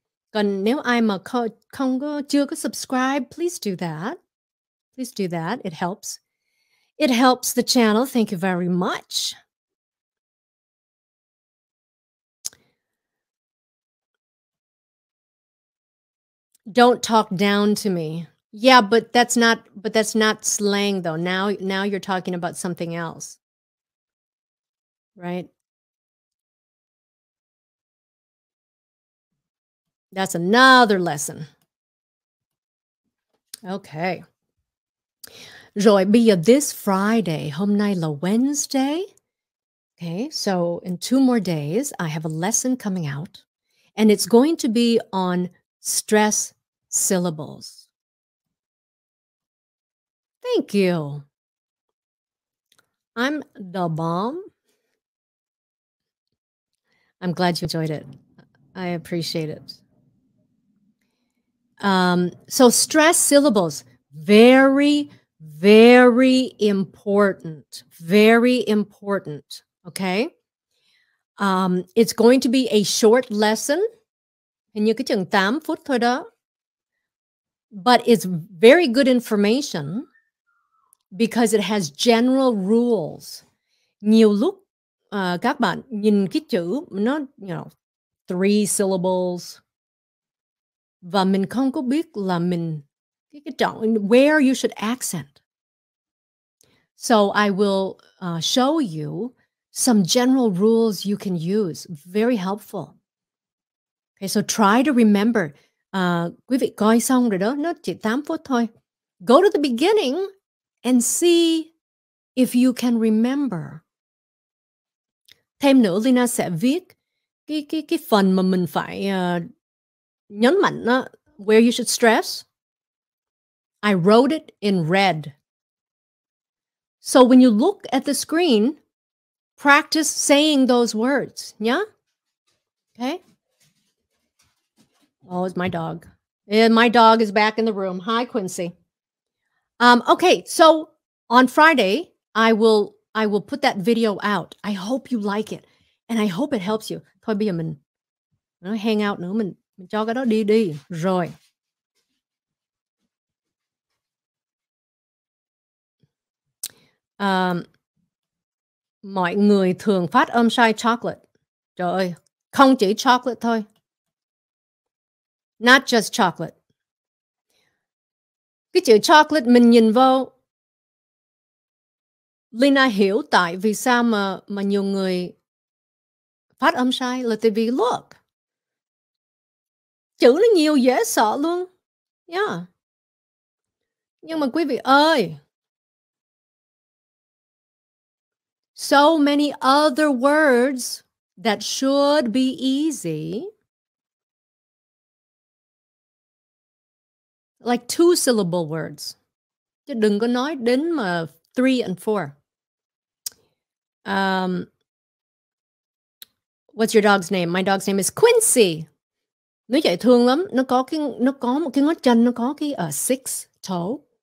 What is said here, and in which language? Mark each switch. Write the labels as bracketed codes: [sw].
[vi] Còn nếu ai mà chưa có subscribe, [en] please do that. Please do that, it helps. It helps the channel, thank you very much. Don't talk down to me. Yeah, but that's not slang though. Now you're talking about something else. Right? That's another lesson. Okay. [vi] Rồi bây giờ [en] this Friday, [vi] hôm nay là Wednesday. [en] Okay, so in two more days I have a lesson coming out and it's going to be on stress syllables. Thank you. I'm the bomb. I'm glad you enjoyed it. I appreciate it. So stress syllables, very, very important. Very important, okay? It's going to be a short lesson. [vi] Hình như cái chừng 8 phút thôi đó. [en] But it's very good information. Because it has general rules. [vi] Nhiều lúc các bạn nhìn cái chữ nó, [en] you know, three syllables. [vi] Và mình không có biết là mình [en] where you should accent. So I will show you some general rules you can use. Very helpful. Okay, so try to remember. [vi] Quý vị coi xong rồi đó. Nó chỉ 8 phút thôi. [en] Go to the beginning. And see if you can remember. [vi] Thêm nữa, Leyna sẽ viết cái phần mà mình phải nhấn mạnh đó, [en] where you should stress. I wrote it in red. So when you look at the screen, practice saying those words. Yeah? Okay? Oh, it's my dog. And my dog is back in the room. Hi, Quincy. Okay, so on Friday, I will put that video out. I hope you like it. And I hope it helps you. [vi] Thôi bây giờ mình hang out nữa. Mình cho cái đó đi đi. Rồi. Mọi người thường phát âm sai chocolate. Trời ơi, không chỉ chocolate thôi. [en] Not just chocolate. [vi] Cái chữ chocolate mình nhìn vô, Leyna hiểu tại vì sao mà nhiều người phát âm sai. Là tại vì look, chữ nó nhiều dễ sợ luôn. [en] Yeah. [vi] Nhưng mà quý vị ơi, [en] so many other words that should be easy, like two syllable words. [vi] Chứ đừng có nói đến mà three and four. [en] What's your dog's name? My dog's name is Quincy. [vi] Nó dễ thương lắm. Nó có một cái ngón chân, nó có cái [en] six toe.